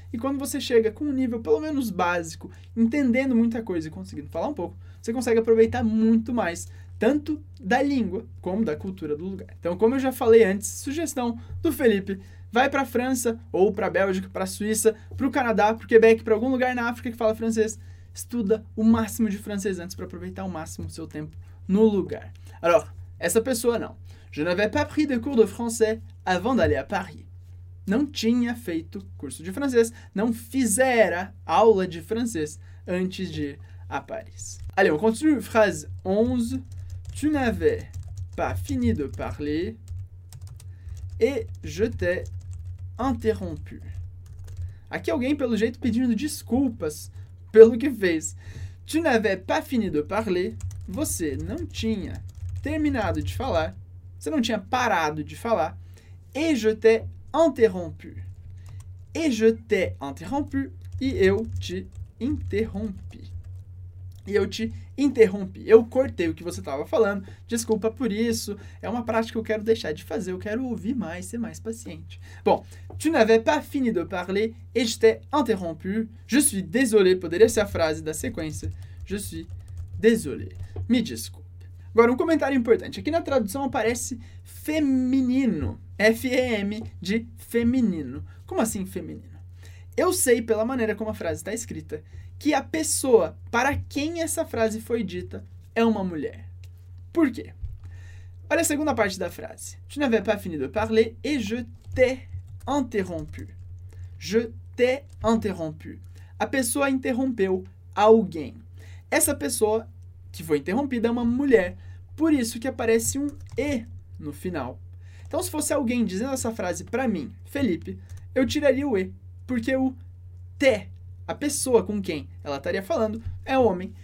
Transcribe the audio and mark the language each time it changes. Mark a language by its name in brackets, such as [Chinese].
[Portuguese] E quando você chega com um nível pelo menos básico, entendendo muita coisa e conseguindo falar um pouco, você consegue aproveitar muito mais, tanto da língua como da cultura do lugar. Então, como eu já falei antes, sugestão do Felipe: vai para a França, ou para a Bélgica, para a Suíça, para o Canadá, para o Quebec, para algum lugar na África que fala francês. Estuda o máximo de francês antes para aproveitar o máximo do seu tempo no lugar. Alors, essa pessoa não. [French] Je n'avais pas pris de cours de français avant d'aller à Paris. [Portuguese] Não tinha feito curso de francês, não fizera aula de francês antes de ir a Paris. [French] Allez, on continue. Phrase 11. Tu n'avais pas fini de parler et je t'ai interrompu. [Portuguese] Aqui alguém, pelo jeito, pedindo desculpas pelo que fez. [French] Tu n'avais pas fini de parler. [Portuguese] Você não tinha terminado de falar. Você não tinha parado de falar. [French] Et je t'ai interrompu. Et je t'ai interrompu. [Portuguese] E eu te interrompi. E eu te interrompi. Eu cortei o que você estava falando. Desculpa por isso. É uma prática que eu quero deixar de fazer. Eu quero ouvir mais, ser mais paciente. [French] Bom, tu n'avais pas fini de parler et je t'ai interrompu. Je suis désolé. [Portuguese] Poderia ser a frase da sequência. [French] Je suis désolé. [Portuguese] Me desculpe. Agora, um comentário importante. Aqui na tradução aparece feminino. F-E-M de feminino. Como assim feminino? Eu sei pela maneira como a frase está escrita que a pessoa para quem essa frase foi dita é uma mulher. Por quê? Olha a segunda parte da frase. [French] Tu n'avais pas fini de parler et je t'ai interrompu. Je t'ai interrompu. [Portuguese] A pessoa interrompeu alguém. Essa pessoa que foi interrompida é uma mulher. Por isso que aparece um E no final. Então, se fosse alguém dizendo essa frase para mim, Felipe, eu tiraria o E, porque o T'ai, a pessoa com quem ela estaria falando, é um homem.